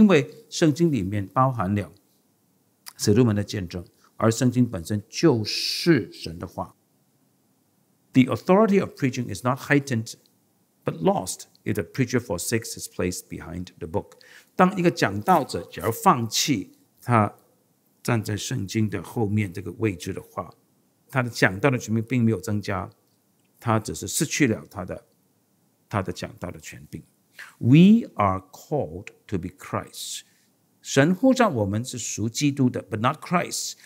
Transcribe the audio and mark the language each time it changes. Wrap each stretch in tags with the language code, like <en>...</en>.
<zh>因为圣经里面包含了使徒们的见证，而圣经本身就是神的话。</zh> <en>The authority of preaching is not heightened, but lost if the preacher forsakes his place behind the book.</en> <zh>当一个讲道者假如放弃他站在圣经的后面这个位置的话，他的讲道的权柄并没有增加，他只是失去了他的讲道的权柄。</zh> <en>We are called to be Christ.</en> <zh>神呼召我们是属基督的</zh> <en>，but not Christ.</en>